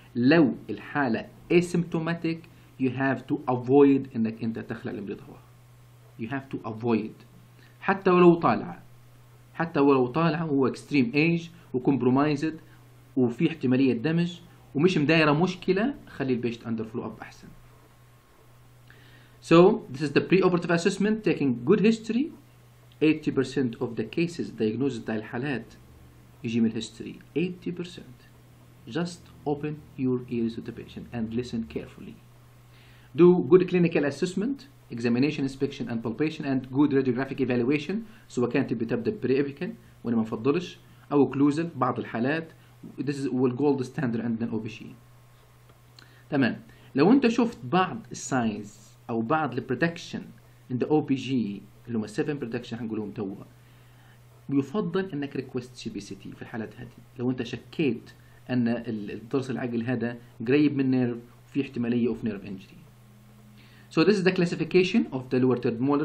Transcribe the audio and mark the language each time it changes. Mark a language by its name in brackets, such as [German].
[Arabic] لو الحالة asymptomatic, [English] you have to avoid [Arabic] انك انت تخلع المريض هو. [English] You have to avoid. [Arabic] حتى ولو طالعة هو extreme age وcompromised وفي احتمالية دمج ومش مدايرة مشكلة خلي البيشت [English] under follow up [Arabic] احسن. [English] So this is the preoperative assessment taking good history. 80% of the cases diagnosed [Arabic] تاع الحالات يجي من [English] history. 80% just open your ears to the patient and listen carefully. Do good clinical assessment, examination, inspection and palpation and good radiographic evaluation. [Arabic] سواء كانت بتبدا بريابيكال وانا ما نفضلش او كلوزل بعض الحالات. [English] This is the gold standard [Arabic] عندنا الاو بي جي. تمام. لو انت شفت بعض الساينز او بعض البريدكشن ان ذا او بي جي اللي هم 7 بريدكشن هنقولهم توا يفضل انك ريكويست سي بي سي تي في الحالات هذه. لو انت شكيت ان الضرس العقل هذا قريب من نيرف في احتماليه [English] Of nerve injury. So this is the classification of the lower third molar.